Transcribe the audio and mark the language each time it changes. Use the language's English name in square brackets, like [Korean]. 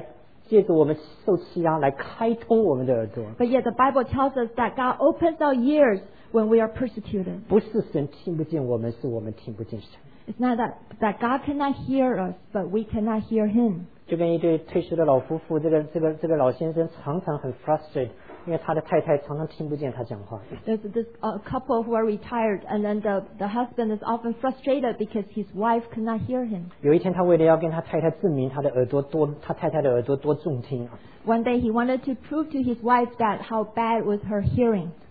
[Chinese] 但是圣经上说，神却借着环境来，借着我们受欺压来开通我们的耳朵。 [English] But yet the Bible tells us that God opens our ears when we are persecuted. [Chinese] 不是神听不见我们，是我们听不见神。 [English] It's not that God cannot hear us, but we cannot hear Him. [Chinese] 就跟一对退休的老夫妇，这个老先生常常很 frustrated， 因为他的太太常常听不见他讲话。There's [English] this couple who are retired, and then the husband is often frustrated because his wife cannot hear him. [Chinese] 有一天，他为了要跟他太太证明他的耳朵多，他太太的耳朵多重听。One [English] day, he wanted to prove to his wife that how bad was her hearing.